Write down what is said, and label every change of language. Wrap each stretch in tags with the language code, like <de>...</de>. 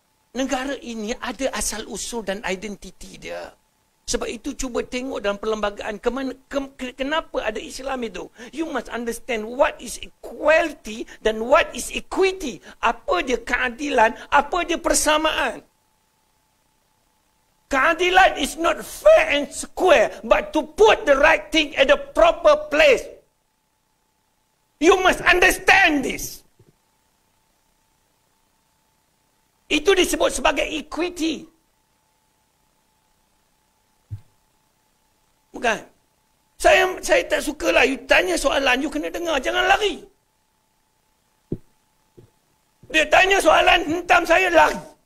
<ms>Negara ini ada asal usul dan identiti dia. Sebab itu cuba tengok dalam perlembagaan, kenapa ada Islam itu.</ms> <en>You must understand what is equality</en> <ms>dan</ms> <en>what is equity.</en> <ms>Apa dia keadilan, apa dia persamaan.</ms> <en>Keadilan is not fair and square, but to put the right thing at the proper place. You must understand this.</en> <ms>Itu disebut sebagai equity. Bukan. Saya tak sukalah you tanya soalan, you kena dengar, jangan lari. Dia tanya soalan, hentam saya, lari.</ms>